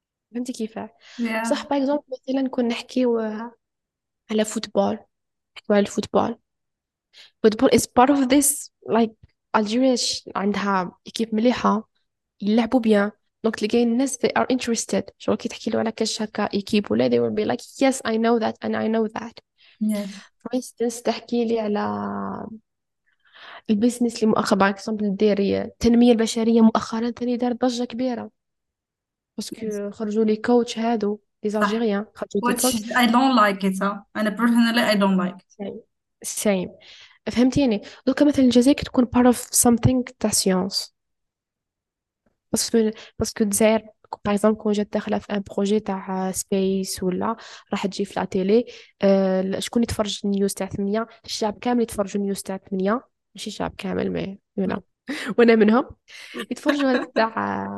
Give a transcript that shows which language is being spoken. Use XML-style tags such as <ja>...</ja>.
<ar>فهمتي كيف صح باغ اكزومبل مثلا كنا نحكيو على فوتبول نحكيو على الفوتبول</ar> <en>football is part of this like Algeria</en> <ar>عندها ekip مليحه يلعبوا بيان دونك تلقاي الناس</ar> <en>they are interested</en> <ar>شو كي تحكي له على كاش هكا ekip ولا</ar> <en>they will be like yes I know that</en> <ar>and I know that</ar> <en>yes for instance</en> <ar>تحكي لي على البيزنس اللي مؤخرا باغ اكزومبل ديري التنميه البشريه مؤخرا ثاني دار ضجه كبيره باسكو خرجوا لي كوتش هادو لي الجيريان خرجوا دي</ar> <en>which</en> <ar>كوتش</ar> <en>I don't like it and personally I don't like it.</en> <ar>same فهمتي يعني دوكا مثلا الجزائر تكون</ar> <en>part of something</en> <ar>تاع سيونس باسكو الجزائر باغ اكزومبل كون جات داخله في ان بروجي تاع سبيس ولا راح تجي في لا تيلي شكون يتفرج النيوز تاع 8 الشعب كامل يتفرج النيوز تاع 8 ماشي الشعب كامل مي يو نو وانا منهم يتفرجوا هذاك تاع</ar>